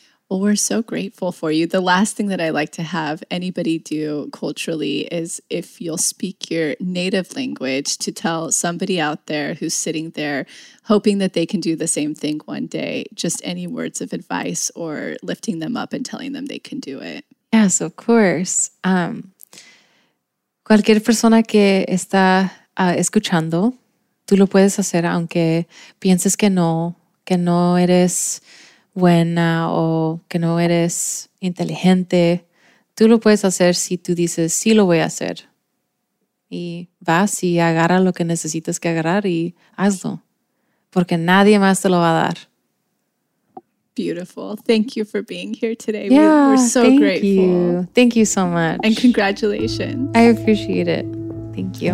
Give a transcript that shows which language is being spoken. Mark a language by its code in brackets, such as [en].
[en] Well, we're so grateful for you. The last thing that I like to have anybody do culturally is if you'll speak your native language to tell somebody out there who's sitting there hoping that they can do the same thing one day, just any words of advice or lifting them up and telling them they can do it. Yes, of course. [es] Cualquier persona que está escuchando, tú lo puedes hacer aunque pienses que no eres buena o que no eres inteligente, tú lo puedes hacer si tú dices, sí lo voy a hacer. Y vas y agarra lo que necesitas que agarrar y hazlo, porque nadie más te lo va a dar. [en] Beautiful. Thank you for being here today. Yeah, we're so thank grateful. You. Thank you so much. And congratulations. I appreciate it. Thank you.